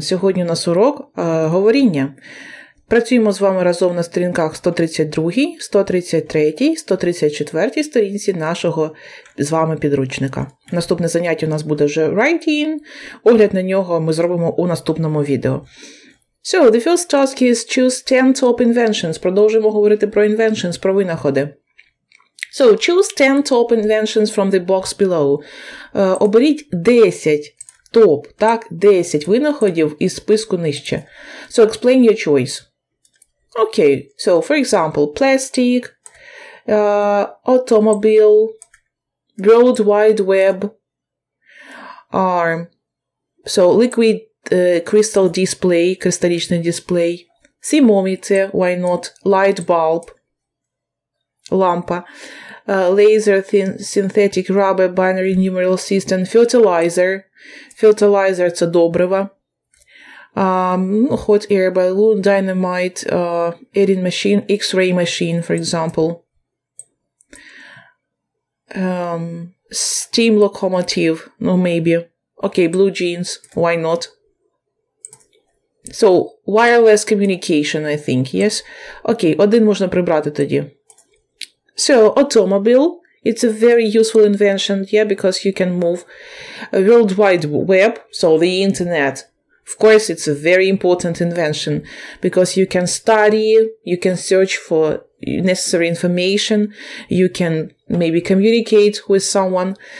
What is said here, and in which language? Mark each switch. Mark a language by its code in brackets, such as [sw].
[uk] Сьогодні у нас урок говоріння. Працюємо з вами разом на сторінках 132, 133, 134 сторінці нашого з вами підручника. Наступне заняття у нас буде вже writing. Огляд на нього ми зробимо у наступному відео. [en] So, the first task is choose 10 top inventions. [uk] Продовжуємо говорити про inventions, про винаходи. [en] So, choose 10 top inventions from the box below. [uk] Оберіть 10 топ, так, 10 винаходів із списку нижче. [en] So, explain your choice. Okay, so, for example, plastic, automobile, world wide web, so, liquid crystal display, [uk] кристалічний дисплей, [en] thermometer, why not, light bulb, лампа, laser thin, synthetic rubber binary numeral system, fertilizer – [uk] це добрива, [en] hot air balloon, dynamite, editing machine, x-ray machine, for example, steam locomotive, ну, maybe, okay, blue jeans, why not? So, wireless communication, I think, yes? [uk] Okay, один можна прибрати тоді. [en] So, automobile, it's a very useful invention, yeah, because you can move. World Wide Web, so the internet, of course, it's a very important invention, because you can study, you can search for necessary information, you can maybe communicate with someone.